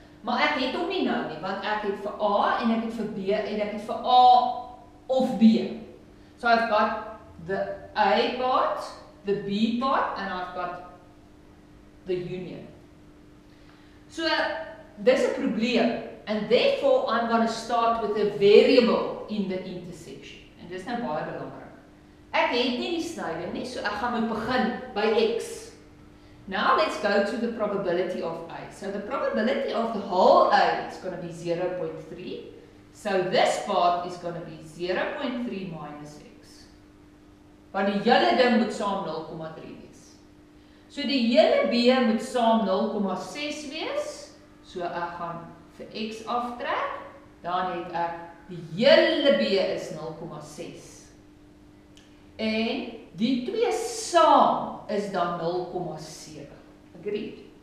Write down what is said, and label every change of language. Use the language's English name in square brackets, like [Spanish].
[Afrikaans] Maar ek het hom nie nou nie, want ek het vir A en ek het vir B en ek het vir A of B. [English] So I've got the A part, the B part, and I've got the union. So there's a probleem, and therefore I'm going to start with a variable in the intersection. [Afrikaans] En dis nou baie belangrik. Ek het nie die snyding nie, so ek gaan moet begin by X. [English] Now let's go to the probability of A. So the probability of the whole A is going to be 0.3. So this part is going to be 0.3 minus X. [Afrikaans] Want die hele ding moet saam 0.3 wees. So die hele B moet saam 0.6 wees. So ek gaan vir X aftrek. Dan het ek, die hele B is 0.6. En die twee saam is dan 0.7. Agreed.